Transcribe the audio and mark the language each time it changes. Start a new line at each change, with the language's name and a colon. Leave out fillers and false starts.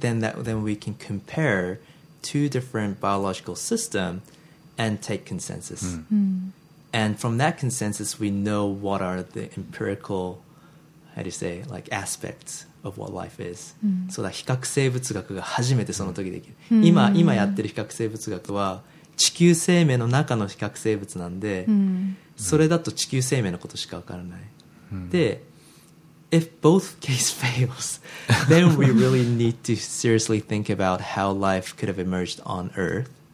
English: Then we can compare two different biological systems and take consensus. And from that consensus, we know what are the empirical, aspects of what life is. So that
Japanese: 比較生物学が初めてその時できる。今やってる比較生物学は地球生命の中の比較生物なんで、それだと地球生命のことしかわからない。
English: で、if both case fails, then we really need to seriously think about how life could have emerged on Earth.